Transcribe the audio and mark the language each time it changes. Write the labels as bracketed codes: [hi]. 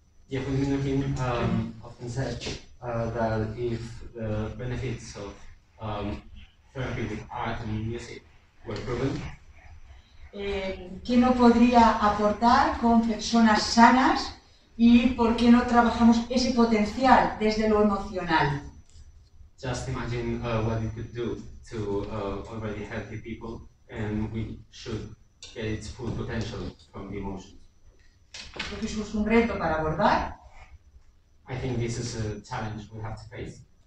[en] Yehudi often said that if the benefits of therapy with art and music were proven, [es] ¿qué no podría aportar con personas sanas y por qué no trabajamos ese potencial desde lo emocional? [en] Just imagine what it could do to already healthy people, and we should get its full potential from the emotions. [es] Creo que eso es un reto para abordar. [en] I think this is a challenge we have to face.